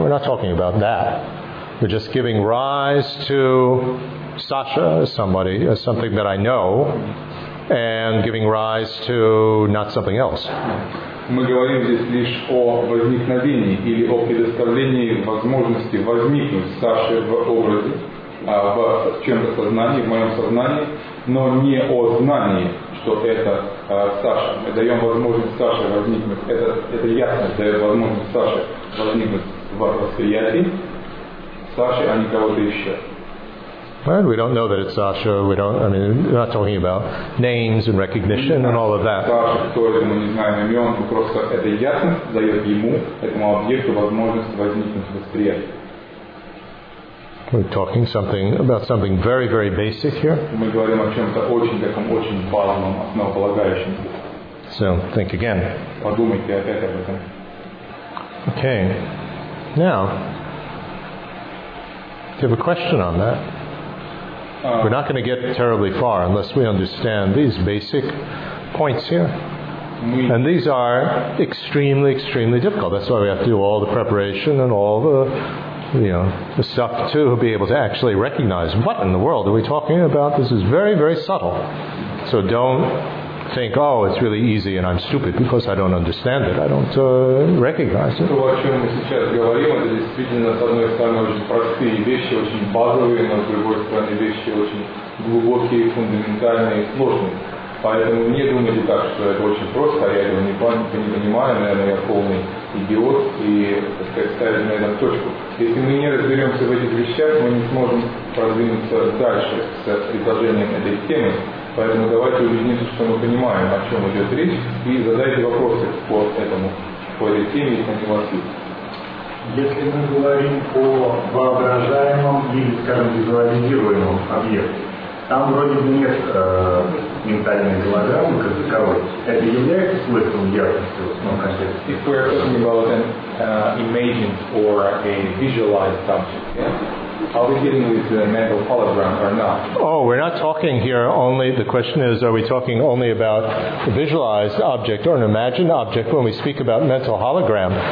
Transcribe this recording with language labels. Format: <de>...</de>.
<en>We're not talking about that. We're just giving rise to Sasha as somebody, as something that I know, and giving rise to not something else.</en> <ru>Мы говорим здесь лишь о возникновении или о предоставлении возможности возникнуть Саше в образе, в чем-то сознании, в моем сознании, но не о знании, что это Саша. Мы даем возможность Саше возникнуть. Это ясность дает возможность Саше возникнуть в восприятии Саши, а не кого-то еще.</ru> <en>Right, we don't know that it's Sasha. We don't. I mean, we're not talking about names and recognition and all of that.</en> <ru>Sasha, кто это, мы не знаем имен. Мы просто это ясность дает ему, этому объекту, возможность возникнуть в восприятии.</ru> <en>We're talking something about something very, very basic here.</en> <ru>Мы говорим о чем-то очень таком очень базовом, основополагающем.</ru> <en>So think again.</en> <ru>Подумайте опять об этом.</ru> <en>Okay. Now, do you have a question on that? We're not going to get terribly far unless we understand these basic points here. And these are extremely, extremely difficult. That's why we have to do all the preparation and all the, you know, the stuff to be able to actually recognize what in the world are we talking about. This is very, very subtle. So don't think, oh, it's really easy and I'm stupid because I don't understand it. I don't recognize it.</en> <ru>То, о чем мы сейчас говорим, это действительно, с одной стороны, очень простые вещи, очень базовые, но с другой стороны, вещи очень глубокие, фундаментальные и сложные. Поэтому не думайте так, что это очень просто, а я этого не понимаю, наверное, я полный идиот, и, так сказать, ставить на этом точку. Если мы не разберемся в этих вещах, мы не сможем продвинуться дальше с предложением этой темы. Поэтому давайте убедимся, что мы понимаем, о чем идет речь, и задайте вопросы по этому, по этой теме, если они у вас есть. Если мы говорим о воображаемом или, скажем, визуализируемом объекте, там вроде бы нет ментальной голограммы как таковой. Это является смыслом яркости в основном контексте?</ru> <en>If we are talking about an imagined or a visualized subject, are we dealing with the mental hologram or not? Oh, we're not talking here only, the question is, are we talking only about a visualized object or an imagined object when we speak about mental hologram?</en>